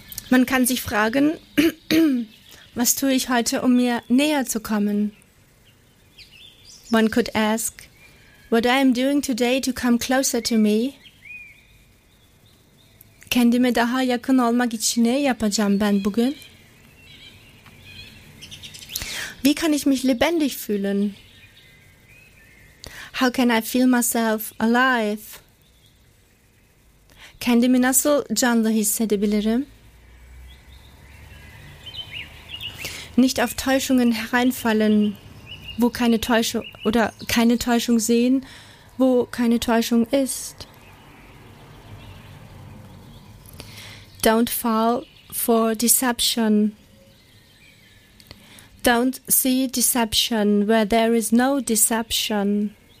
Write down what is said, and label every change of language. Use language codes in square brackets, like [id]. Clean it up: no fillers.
[de] Man kann sich fragen, was tue ich heute, um mir näher zu kommen? [en] One could ask, what I am doing today to come closer to me? [tr] Kendime daha yakın olmak için ne yapacağım ben bugün? [de] Wie kann ich mich lebendig fühlen? [en] How can I feel myself alive? [tr] Kendimi nasıl canlı hissedebilirim? [de] Nicht auf Täuschungen hereinfallen, wo keine Täuschung oder keine Täuschung sehen, wo keine Täuschung ist. [en] Don't fall for deception. Don't see deception where there is no deception.